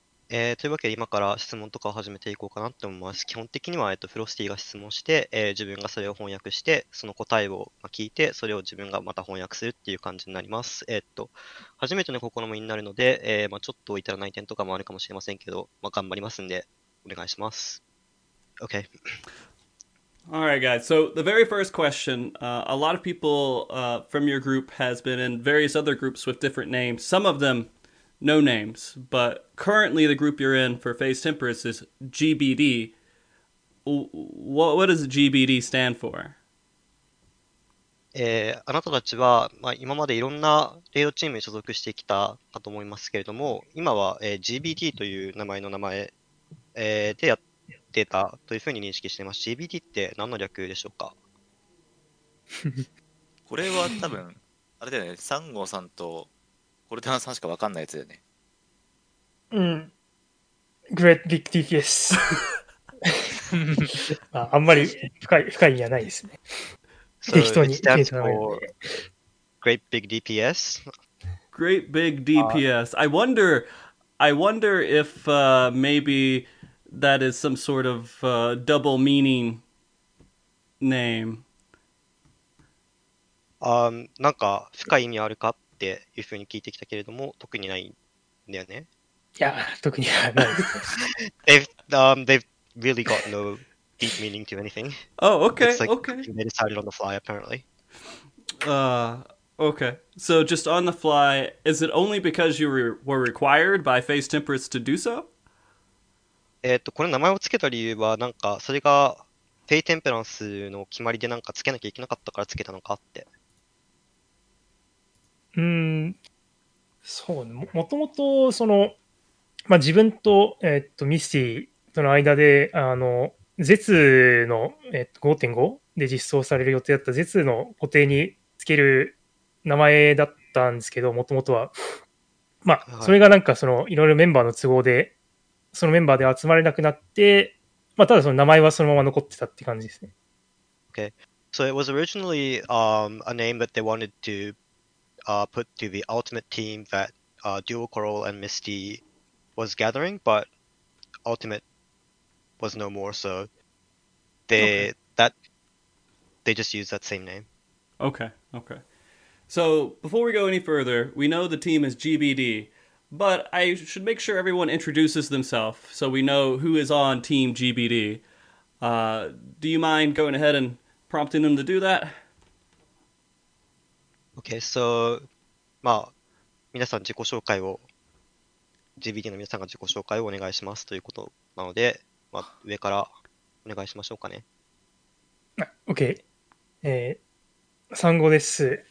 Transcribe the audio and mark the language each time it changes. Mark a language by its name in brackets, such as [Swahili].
[Japanese] というわけで今から質問とかを始めていこうかなって思います。基本的には、フロスティが質問して、自分がそれを翻訳して、その答えを聞いて、それを自分がまた翻訳するっていう感じになります。初めての試みになるので、まあ、ちょっと至らない点とかもあるかもしれませんけど、まあ、頑張りますんで、お願いします。 [English] Okay. Alright guys, so the very first question, a lot of people from your group has been in various other groups with different names. Some of themNo names, but currently the group you're in for Phase Temperance is GBD. What does GBD stand for? [Japanese] あなたたちは、まあ、今までいろんなレイドチームに所属してきたかと思いますけれども、今は、GBD という名前の名前、でやってたというふうに認識しています。 GBD って何の略でしょうか？これは多分、あれだよね、サンゴさんとコルテナさんしか分かんないやつだよね。うん。Great Big DPS。あんまり深い意味はないですね。適当に。Great Big DPS? [English] Great Big DPS. I wonder if maybe that is some sort of double meaning name. [Japanese] なんか深い意味あるかっていうふうに聞いてきたけれども特にないんだよね。いや特にはないです。 [English] they've really got no deep meaning to anything. Oh, okay. It's like okay. They decided on the fly, apparently. Okay. So just on the fly, is it only because you were required by Phase Temperance to do so? [Japanese] これ名前をつけた理由はなんかそれがフェイテンペランスの決まりでなんかつけなきゃいけなかったからつけたのかって。うん、そうね。もともと、その、まあ、自分と、ミスティとの間で、ゼツの、5.5 で実装される予定だったゼツの固定につける名前だったんですけど、もともとは。まあ、それがなんか、その、いろいろメンバーの都合で、そのメンバーで集まれなくなって、まあ、ただその名前はそのまま残ってたって感じですね。 [English] Okay. So it was originally, a name that they wanted to,put to the ultimate team that Dual Coral and Misty was gathering, but ultimate was no more, so they that they just used that same name. Okay, okay. So before we go any further, we know the team is GBD, but I should make sure everyone introduces themselves so we know who is on Team GBD. Do you mind going ahead and prompting them to do that? Okay, so, [Japanese] まあ、皆さん自己紹介を、GBD の皆さんが自己紹介をお願いしますということなので、まあ、上からお願いしましょうかね。 Okay, サンゴです。